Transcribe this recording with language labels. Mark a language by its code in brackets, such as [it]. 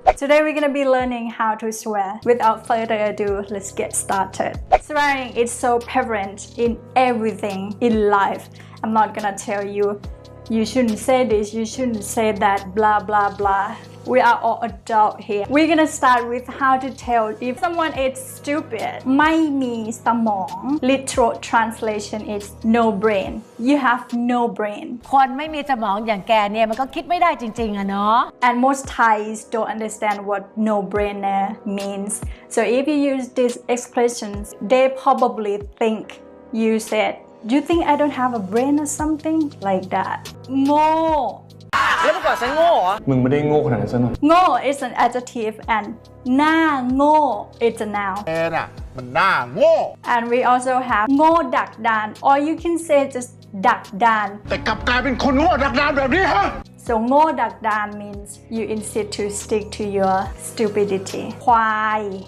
[en] Today we're gonna be learning how to swear. Without further ado, let's get started. Swearing is so prevalent in everything in life. I'm not gonna tell you, you shouldn't say this, you shouldn't say that, blah blah blah. We are all adult here. We're gonna start with how to tell if someone is stupid. [th] ไม่มีสมอง [en] Literal translation is no brain. You have no brain. [th] คนไม่มีสมองอย่างแกเนี่ยมันก็คิดไม่ได้จริงๆอะเนาะ [en] And most Thais don't understand what no brainer means. So if you use these expressions, they probably think you said, "Do you think I don't have a brain or something like that?" No. [th] แล้วเมื่อก่อนฉันโง่เหรอ มึงไม่ได้โง่ขนาดนั้นซะหน่อย [en] โง่ is an adjective and หน้าโง่ is a noun [th] เออน่ะมันหน้าโง่ [en] and we also have โง่ดักดาน or you can say just ดักดาน [th] แต่กลับกลายเป็นคนโง่ดักดานแบบนี้ฮะ [en] so โง่ดักดาน means you insist to stick to your stupidity ควาย